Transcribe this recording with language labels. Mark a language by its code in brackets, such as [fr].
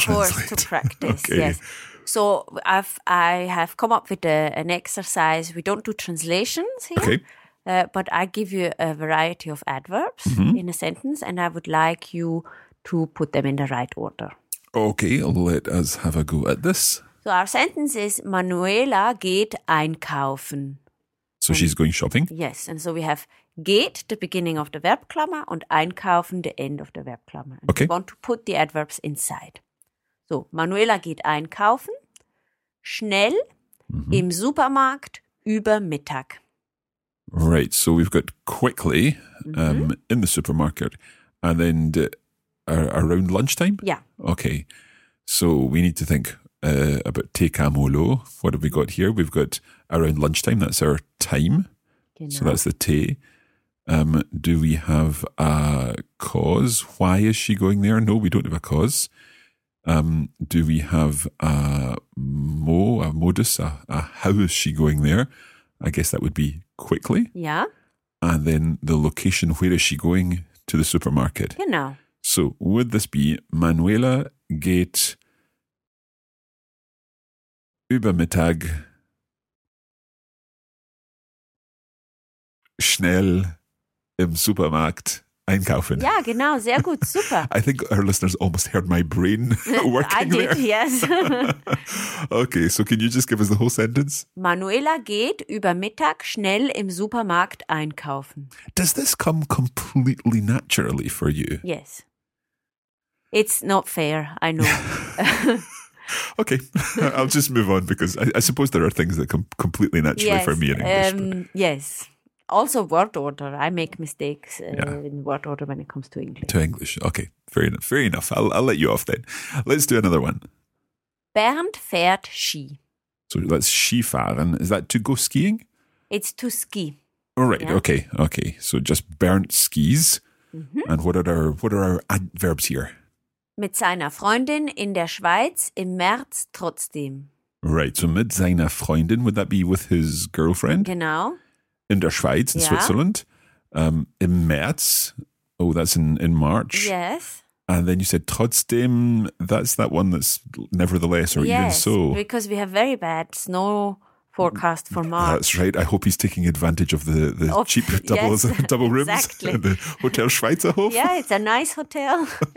[en] Of course, to practice, okay. Yes. So I have come up with an exercise. We don't do translations here. Okay. But I give you a variety of adverbs in a sentence, and I would like you to put them in the right order. Okay, let us have a go at this. So our sentence is, [de] Manuela geht einkaufen. [en] So she's going shopping? Yes, and so we have geht, the beginning of the verb Klammer, [de] und [en] einkaufen, the end of the verb Klammer. Okay. We want to put the adverbs inside. [de] So, Manuela geht einkaufen, schnell, im Supermarkt, über Mittag. [en] Right, so we've got quickly, in the supermarket, and then around lunchtime? Yeah. Okay, so we need to think about te kamo lo. What have we got here? We've got around lunchtime, that's our time. [de] Genau. [en] So that's the te. Do we have a cause? Why is she going there? No, we don't have a cause. Do we have a mo, a modus, a how is she going there? I guess that would be quickly. Yeah. And then the location, where is she going? To the supermarket. [de] Genau. So would this be Manuela geht übermittag schnell im Supermarkt einkaufen. Ja, genau. Sehr gut. Super. [en] I think our listeners almost heard my brain working there. I did, yes. Okay, so can you just give us the whole sentence? [de] Manuela geht über Mittag schnell im Supermarkt einkaufen. [en] Does this come completely naturally for you? Yes. It's not fair, I know. Okay, I'll just move on because I suppose there are things that come completely naturally for me in English. Yes. Also word order. I make mistakes in word order when it comes to English. To English. Okay, fair enough. I'll let you off then. Let's do another one. [de] Bernd fährt Ski. [en] So that's Ski fahren. Is that to go skiing? It's to ski. All right. Yeah. Okay. So just Bernd skis. Mm-hmm. And what are our adverbs here? [de] Mit seiner Freundin in der Schweiz im März trotzdem. [en] Right. So [de] mit seiner Freundin, [en] would that be with his girlfriend? [de] Genau. In der Schweiz, [en] in Switzerland, [de] im März. [en] Oh, that's in March. Yes. And then you said trotzdem, that's that one that's nevertheless or yes, even so. Because we have very bad snow forecast for March. That's right. I hope he's taking advantage of the cheap double rooms in the Hotel Schweizerhof. Yeah, it's a nice hotel.